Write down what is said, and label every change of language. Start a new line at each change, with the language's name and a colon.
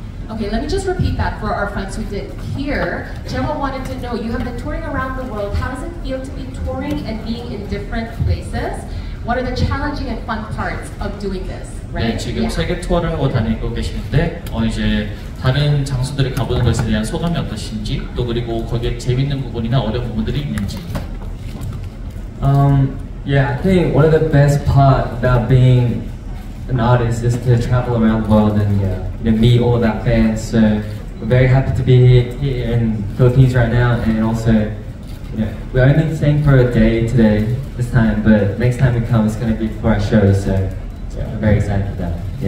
English: Okay, let me just repeat that for our friends who didn't hear. Chewa wanted to know, you have been touring around the world. How does it feel to be touring and being in different places? What are the challenging and fun parts of doing this? Right?
Korean: 네, 지금 세계 투어를 하고 다니고 계시는데 이제 다른 장소들을 가보는 것에 대한 소감이 어떠신지 또 그리고 거기에 재밌는 부분이나 어려운 부분들이 있는지.
English: Yeah, I think one of the best part about being an artist is to travel around the world and meet all that fans. So we're very happy to be here in Philippines right now, and also we're only staying for a day today this time, but next time we come it's going to be for our show, so we're very excited for that.